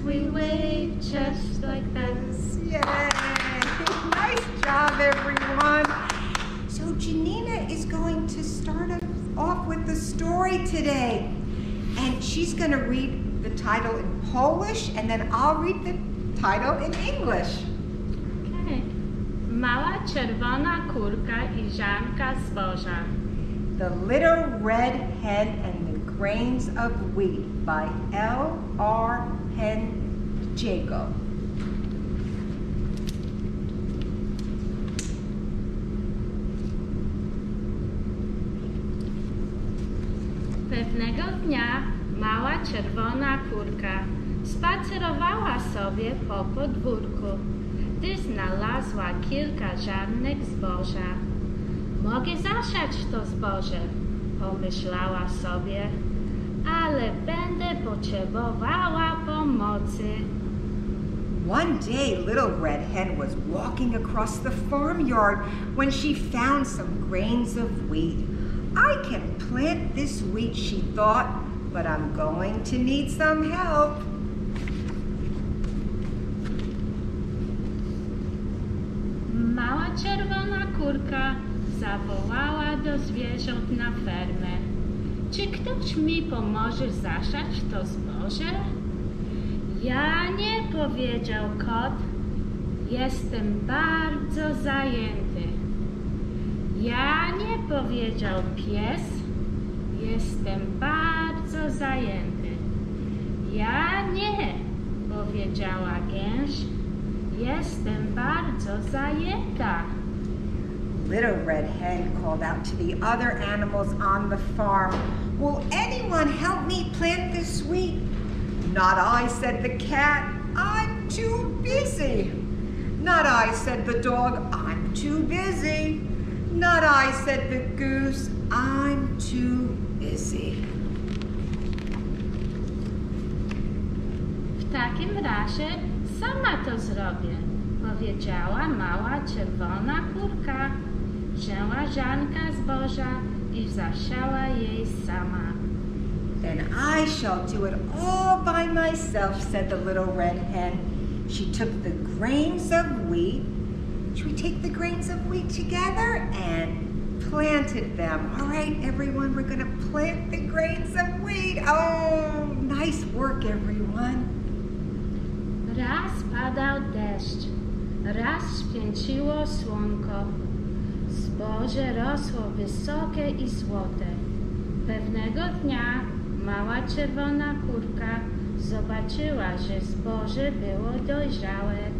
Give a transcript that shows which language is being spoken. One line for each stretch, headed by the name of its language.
English: We wave cześć like this. Yay! Nice job, everyone. So Janina is going to start off with the story today. And she's going to read the title in Polish, and then I'll read the title in English.
Polish: Mała czerwona kurka i ziarnka zboża.
English: The Little Red Hen and the Grains of Wheat by L. R. Hen Jacob.
Polish: Pewnego dnia mała czerwona kurka spacerowała sobie po podwórku. Gdy znalazła kilka ziarnek zboża. Mogę zasiać to zboże, pomyślała sobie, ale będę potrzebowała pomocy.
English: One day, Little Red Hen was walking across the farmyard when she found some grains of wheat. I can plant this wheat, she thought, but I'm going to need some help.
Polish: Mała czerwona kurka zawołała do zwierząt na fermę. Czy ktoś mi pomoże zasiać to zboże? Ja nie, powiedział kot. Jestem bardzo zajęty. Ja nie, powiedział pies. Jestem bardzo zajęty. Ja nie, powiedziała gęś. Jestem bardzo zajęta.
English: Little Red Hen called out to the other animals on the farm, will anyone help me plant this wheat? Not I, said the cat, I'm too busy. Not I, said the dog, I'm too busy. Not I, said the goose, I'm too busy.
Polish: W takim razie sama to zrobię, powiedziała mała czerwona kurka. Wzięła ziarnka zboża i zasiała jej sama.
English: Then I shall do it all by myself, said the little red hen. She took the grains of wheat. Should we take the grains of wheat together and planted them? All right, everyone, we're gonna plant the grains of wheat. Oh, nice work, everyone.
Polish: Raz padał deszcz, raz święciło słonko. Zboże rosło wysokie i złote. Pewnego dnia mała czerwona kurka zobaczyła, że zboże było dojrzałe.